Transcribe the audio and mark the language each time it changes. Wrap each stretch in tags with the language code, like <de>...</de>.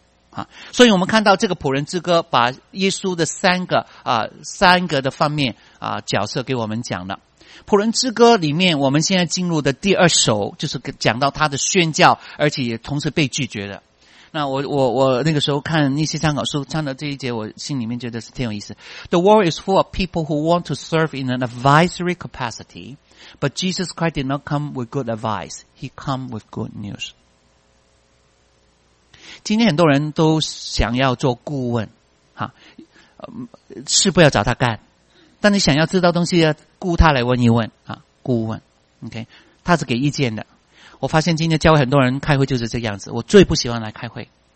<zh>啊，所以我们看到这个仆人之歌把耶稣的三个的方面啊角色给我们讲了。仆人之歌里面，我们现在进入的第二首就是讲到他的宣教，而且也同时被拒绝的。那我那个时候看那些参考书，唱到这一节，我心里面觉得是挺有意思。</zh> <en>The world is full of people who want to serve in an advisory capacity, but Jesus Christ did not come with good advice. He come with good news.</en> <zh>今天很多人都想要做顾问，哈，事不要找他干，但你想要知道东西，要雇他来问一问啊，顾问 ，OK， 他是给意见的。我发现今天教会很多人开会就是这样子，我最不喜欢来开会。</zh>